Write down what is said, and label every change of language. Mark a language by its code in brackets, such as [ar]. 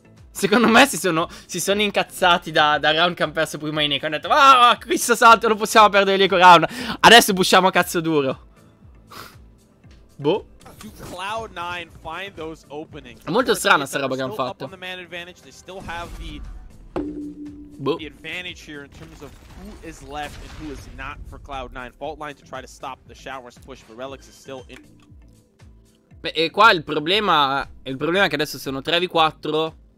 [it] Secondo me si sono incazzati da round che hanno perso prima in eco. Hanno detto, ah, oh, questo salto non possiamo perdere l'eco round. Adesso busciamo a cazzo duro. Boh. [en] To Cloud9 find those openings. [it] È molto strana sta roba che hanno fatto. [en] They still have the advantage here in terms of who is left and who is not for Cloud9. Fault line to try to stop the showers push, but Relix is still in. [it] Beh, e qua il problema è che adesso sono 3v4.